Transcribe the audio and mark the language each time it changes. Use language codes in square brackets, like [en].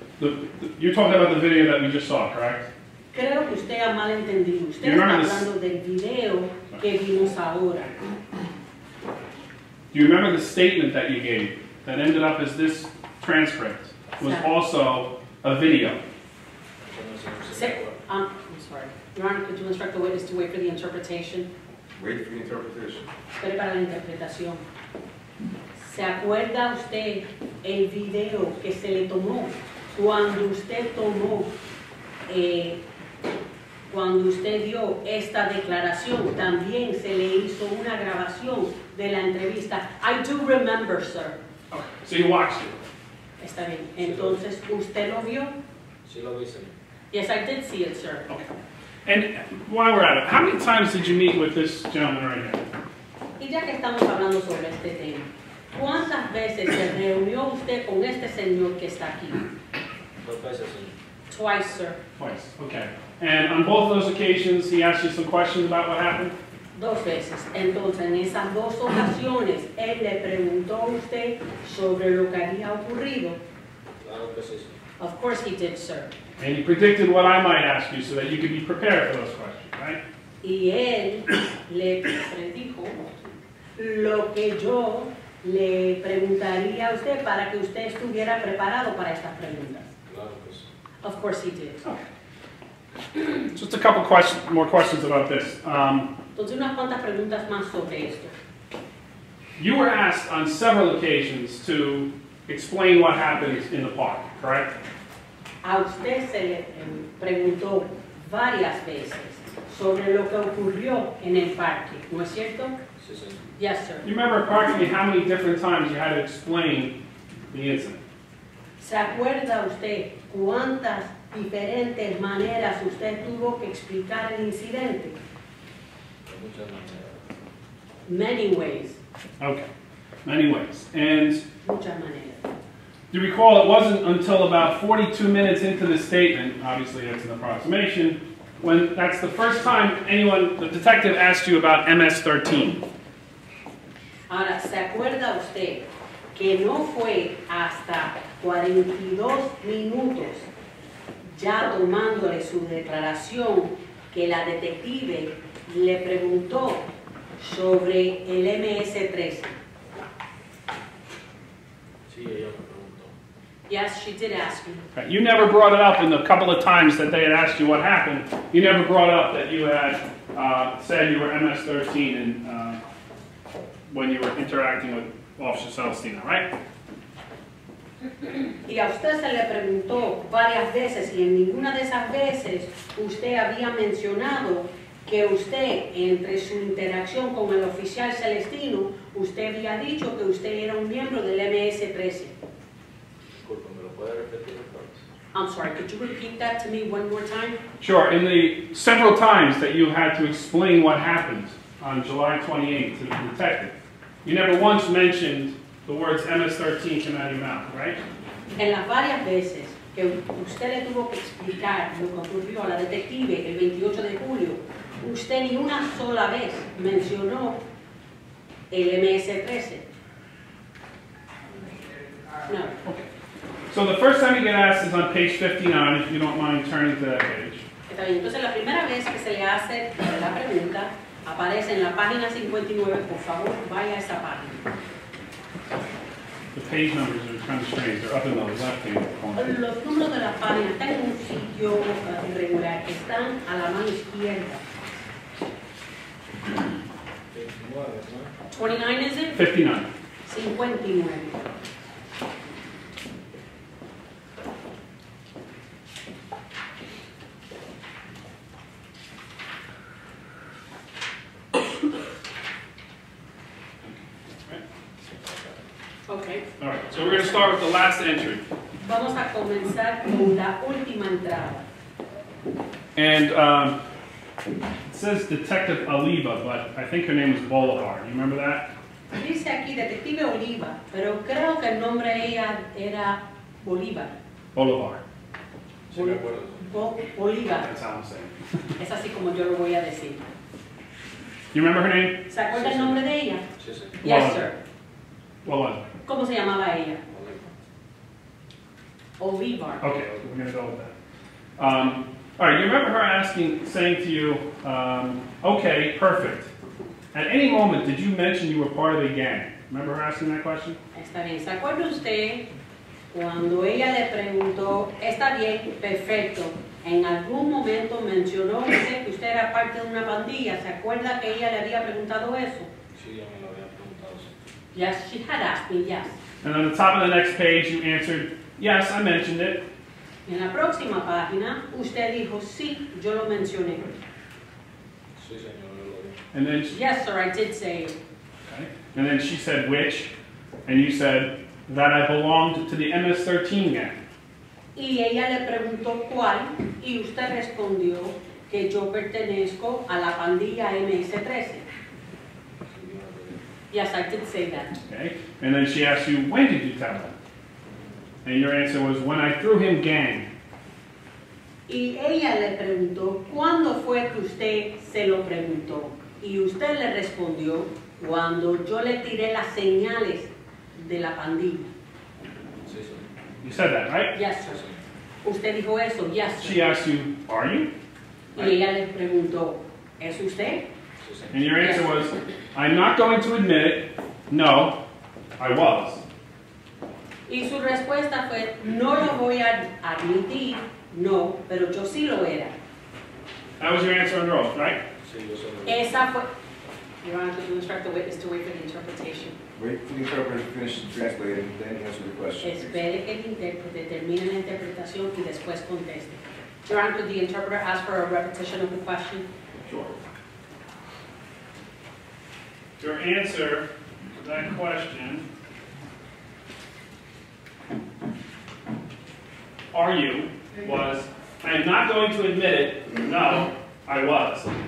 [en] You're talking about the video that we just saw, correct? [es] Creo que usted ha malentendido. Usted está hablando del video que vimos ahora. [en] Do you remember the statement that you gave that ended up as this transcript was also a video? I'm sorry. Your Honor, could you instruct the witness to wait for the interpretation? Wait for the interpretation. [es] Espere para la interpretación. ¿Se acuerda usted el video que se le tomó cuando usted tomó, cuando usted dio esta declaración? También se le hizo una grabación de la entrevista. [en] I do remember, sir. Okay. So you watched it. [es] Está bien. Entonces, ¿usted lo vio? Sí, lo vi, [en] sir. Yes, I did see it, sir. Okay. And while we're at it, how many times did you meet with this gentleman right here? [es] Y ya que estamos hablando sobre este tema, ¿cuántas veces se reunió usted con este señor que está aquí? Dos veces, señor. [en] Twice, sir. Twice, okay. And on both of those occasions, he asked you some questions about what happened? [es] Dos veces. Entonces, en esas dos ocasiones, él le preguntó a usted sobre lo que había ocurrido. Claro que sí, señor. [en] Of course he did, sir. And he predicted what I might ask you so that you could be prepared for those questions, right? [es] Y él le predijo lo que yo le preguntaría a usted para que usted estuviera preparado para estas preguntas. Claro, [en] of course he did. Okay. Just a couple more questions about this. [es] Entonces, unas cuantas preguntas más sobre esto. [en] You were asked on several occasions to explain what happened in the park, correct? [es] A usted se le preguntó varias veces sobre lo que ocurrió en el parque, ¿no es cierto? Sí, sí. [en] Yes, sir. You remember, pardon me, how many different times you had to explain [es] Piensa. ¿Se acuerda usted cuántas diferentes maneras usted tuvo que explicar el incidente? Muchas maneras. [en] Many ways. Okay. Many ways. And [es] muchas maneras. [en] You recall it wasn't until about 42 minutes into the statement, obviously that's an approximation, when that's the first time anyone, the detective asked you about MS-13. [es] Ahora, ¿se acuerda usted que no fue hasta 42 minutos ya tomándole su declaración que la detective le preguntó sobre el MS-13? Sí, yo. [en] Yes, she did ask me. Right. You never brought it up in the couple of times that they had asked you what happened. You never brought up that you had said you were MS-13 and when you were interacting with Officer Celestino, right? [es] Y a usted se le preguntó varias veces y en ninguna de esas veces usted había mencionado que usted, entre su interacción con el oficial Celestino, usted había dicho que usted era un miembro del MS-13. [en] I'm sorry, could you repeat that to me one more time? Sure, in the several times that you had to explain what happened on July 28th to the detective, you never once mentioned the words MS-13 came out of your mouth, right? [es] En las varias veces que usted le tuvo que explicar lo que ocurrió a la detective el 28 de julio, usted ni una sola vez mencionó el MS-13. No. [en] Okay. So the first time you get asked is on page 59, if you don't mind turning to that page. [es] Entonces la primera vez que se le hace la pregunta aparece en la página 59. Por favor, vaya a esa página. [en] The page numbers are kind of strange. They're up in the left hand corner. [es] Los números de la página están en un sitio irregular. Están a la mano izquierda. 59, ¿no? [en] 29, is it? 59. 59. So we're going to start with the last entry. [es] Vamos a comenzar con la última entrada. [en] And it says Detective Oliva, but I think her name is Bolivar. You remember that? [es] Dice aquí Detective Oliva, pero creo que el nombre ella era Bolívar. Bolivar. Bolívar. [en] That's how I'm saying. [es] Es así como yo lo voy a decir. [en] You remember her name? [es] ¿Se acuerda el nombre de ella? Sí, sí. [en] Yes, sir. What was it? [es] ¿Cómo se llamaba ella? Oliva. [en] Okay, we're going to go with that. All right, you remember her asking, saying to you, okay, perfect. At any moment, did you mention you were part of the gang? Remember her asking that question? [es] Está bien. ¿Se acuerda usted cuando ella le preguntó, está bien, perfecto, en algún momento mencionó usted que usted era parte de una pandilla? ¿Se acuerda que ella le había preguntado eso? Sí, [en] yes, she had asked me, yes. And on the top of the next page, you answered, yes, I mentioned it. [es] En la próxima página, usted dijo, sí, yo lo mencioné. Sí, señor. [en] And then she, yes, sir, I did say it. Okay. And then she said, which? And you said, that I belonged to the MS-13 gang. Y ella le preguntó cuál, y usted respondió que yo pertenezco a la pandilla MS-13. Yes, I did say that. Okay. And then she asked you, when did you tell him? And your answer was, when I threw him gang. [es] Y ella le preguntó, ¿cuándo fue que usted se lo preguntó? Y usted le respondió, cuando yo le tiré las señales de la pandilla. [en] You said that, right? Yes, sir. [es] Usted dijo eso, [en] yes, sir. She asked you, are you? [es] Y ella le preguntó, ¿es usted? [en] And your answer was, I'm not going to admit it. No, I was. [es] Y su respuesta fue, no lo voy a admitir. No, pero yo sí lo era. [en] That was your answer under oath, right? [es] Sí, yo esa fue. [en] Your Honor, you instruct the witness to wait for the interpretation. Wait for the interpreter to finish the translating, then answer the question. [es] Espere que el intérprete termine la interpretación y después conteste. [en] Your Honor, could the interpreter ask for a repetition of the question? Sure. Your answer to that question are you, was, I am not going to admit it, no, I was.